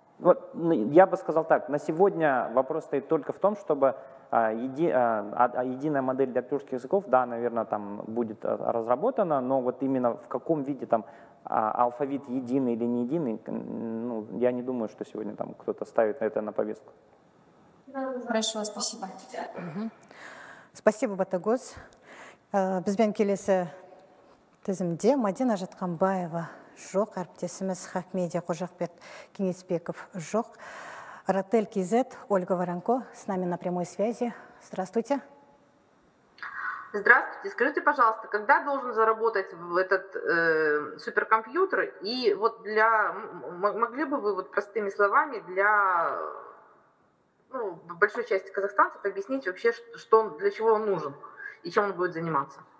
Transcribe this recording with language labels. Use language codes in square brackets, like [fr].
[ru] Вот, я бы сказал так, на сегодня вопрос стоит только в том, чтобы единая модель для тюркских языков, да, наверное, там будет разработана, но вот именно в каком виде там алфавит единый или не единый, ну, я не думаю, что сегодня там кто-то ставит это на повестку. Хорошо, спасибо. Спасибо, Ботагөз. [kk] Бізбен келесі тізімде Мадина Жатқанбаева жоқ, әріптесіміз Хакмедия Қожақбет Кенесбеков жоқ. [ru] Ротель Кизет, Ольга Воронко с нами на прямой связи. Здравствуйте. Здравствуйте. Скажите, пожалуйста, когда должен заработать в этот суперкомпьютер? И вот для могли бы вы вот простыми словами для, ну, большой части казахстанцев объяснить вообще, что для чего он нужен и чем он будет заниматься?